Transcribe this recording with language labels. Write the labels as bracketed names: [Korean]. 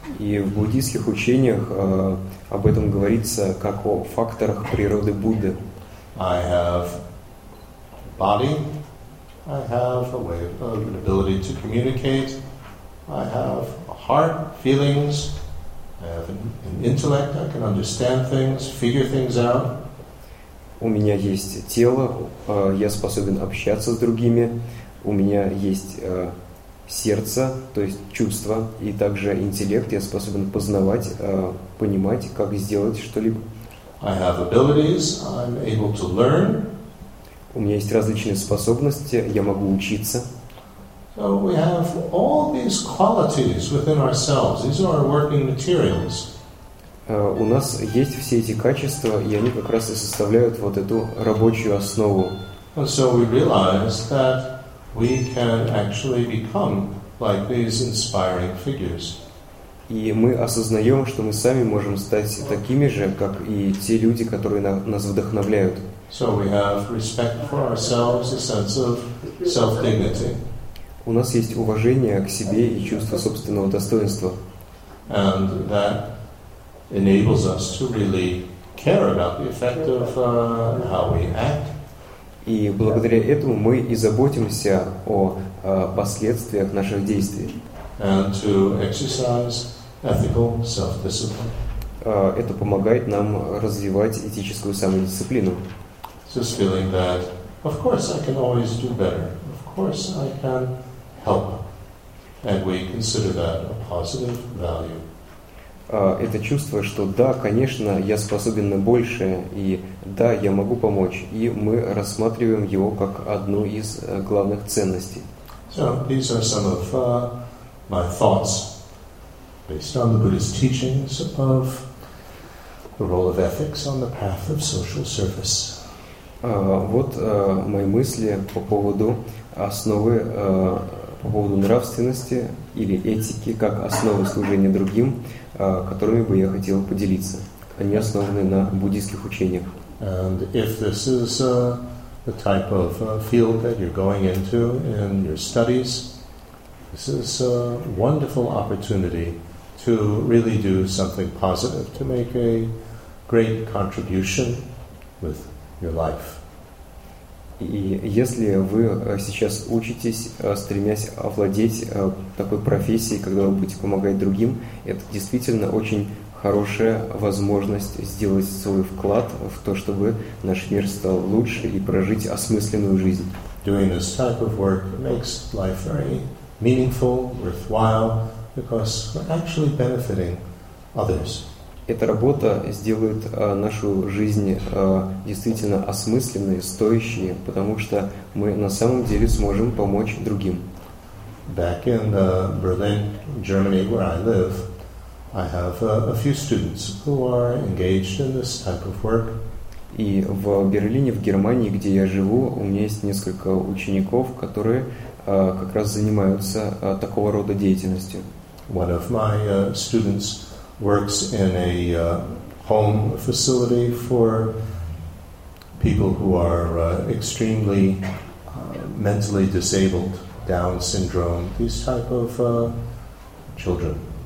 [Russian] И в буддийских учениях об этом говорится как о факторах природы Будды. [English] I have body, I have a way of an ability to communicate, I have a heart, feelings, I have an intellect, I can understand things, figure things out. [Russian] У меня есть тело, я способен общаться с другими, у меня есть сердце, то есть чувство, и также интеллект, я способен познавать, понимать, как сделать что-либо. [English] I have abilities, I'm able to learn. [Russian] У меня есть различные способности, я могу учиться. [English] So we have all these qualities within ourselves. These are our working materials. [Russian] У нас есть все эти качества, и они как раз и составляют вот эту рабочую основу. [English] And so we realize that we can actually become like these inspiring figures. [Russian] И мы осознаем, что мы сами можем стать такими же, как и те люди, которые нас вдохновляют. [English] So we have respect for ourselves, a sense of self-dignity. [Russian] У нас есть уважение к себе и чувство собственного достоинства. [English] And that enables us to really care about the effect of how we act. [Russian] И благодаря этому мы и заботимся о последствиях наших действий. [English] And to exercise ethical self-discipline. [Russian] Это помогает нам развивать этическую самодисциплину. [English] This feeling that, of course, I can always do better. Of course, I can help. And we consider that a positive value. [Russian] Это чувство, что да, конечно, я способен на большее, и да, я могу помочь, и мы рассматриваем его как одну из главных ценностей. [English] So, these are some of my thoughts based on the Buddhist teachings of the role of ethics on the path of social service. [Russian] Вот мои мысли по поводу основы, по поводу нравственности или этики как основы служения другим, которыми бы я хотел поделиться. Они основаны на буддийских учениях. [English] And if this is the type of field that you're going into in your studies, this is a wonderful opportunity to really do something positive, to make a great contribution with your life. [Russian] И если вы сейчас учитесь, стремясь овладеть такой профессией, когда вы будете помогать другим, это действительно очень хорошая возможность сделать свой вклад в то, чтобы наш мир стал лучше и прожить осмысленную жизнь. [English] Doing this type of work makes life very meaningful, worthwhile, because we're actually benefiting others. [Russian] Эта работа сделает нашу жизнь действительно осмысленной, стоящей, потому что мы на самом деле сможем помочь другим. [English] Back in Berlin, Germany, where I live, I have a few students who are engaged in this type of work. [Russian] И в Берлине, в Германии, где я живу, у меня есть несколько учеников, которые как раз занимаются такого рода деятельностью. [English] One of my students works in a home facility for people who are extremely mentally disabled, Down syndrome, these type of children.